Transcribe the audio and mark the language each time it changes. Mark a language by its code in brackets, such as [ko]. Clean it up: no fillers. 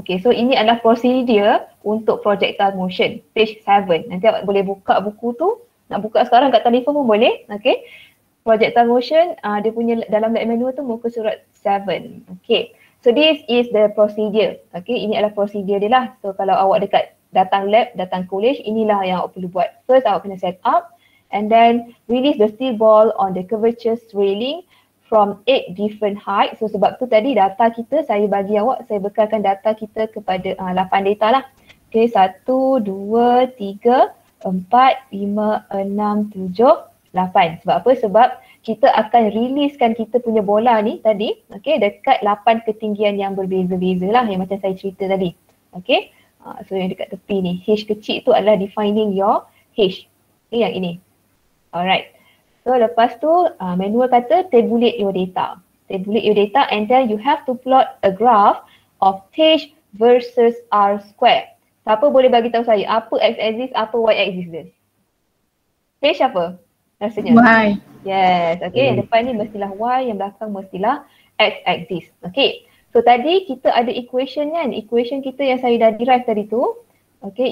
[ms] Okay, so ini adalah prosedur untuk projectile motion. [en] Page 7. [ms] Nanti awak boleh buka buku tu. Nak buka sekarang kat telefon pun boleh. Okay. Projectile motion, dia punya dalam lab manual tu muka surat 7. [en] Okay, so this is the procedure. [ms] Okay, ini adalah procedure dia lah. So kalau awak dekat datang lab, datang college, inilah yang awak perlu buat. First awak kena [en] set up and then release the steel ball on the curvature railing from 8 different height. [ms] So sebab tu tadi data kita, saya bagi awak, saya bekalkan data kita kepada 8 data lah. Okay, 1, 2, 3, 4, 5, 6, 7, 8. Sebab apa? Sebab kita akan releasekan kita punya bola ni tadi, okay, dekat 8 ketinggian yang berbeza-beza lah, yang macam saya cerita tadi. Okay, so yang dekat tepi ni, H kecil tu adalah [en] defining your H. [ms] Okay, yang ini. Alright. So lepas tu manual kata [en] tabulate your data. Tabulate your data and then you have to plot a graph of H versus R square. [ms] Siapa boleh bagi tahu saya apa X axis, apa Y axis dia? H apa? Rasanya. Y. Yes. Okay. Yang depan ni mestilah Y, yang belakang mestilah X axis. Okay. So tadi kita ada equation kan. Equation kita yang saya dah derive tadi tu. Okay.